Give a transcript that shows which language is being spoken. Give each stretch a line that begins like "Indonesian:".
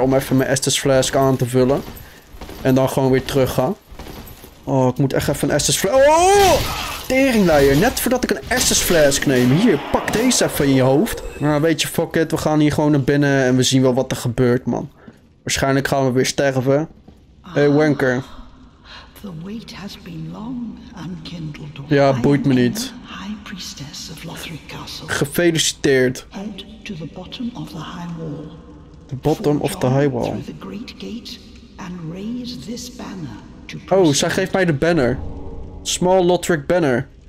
Dutch: om even mijn Estus Flask aan te vullen. En dan gewoon weer terug ga. Oh, ik moet echt even een Estus Flask... Oh! Teringleier, net voordat ik een Estus Flask neem. Hier, pak deze even in je hoofd. Nou, weet je, fuck it. We gaan hier gewoon naar binnen en we zien wel wat er gebeurt, man. Waarschijnlijk gaan we weer sterven.
English: Hey, Wanker. The wait has been long unkindled.
Dutch: Ja, boeit me niet.
English: High Priestess of Lothric Castle.
Dutch: Gefeliciteerd.
English: Head to the bottom of the high wall. The bottom of the high wall. Through the great gate and raise this banner.
Dutch: Oh, zij geeft mij de banner.
English: Small Lothric banner.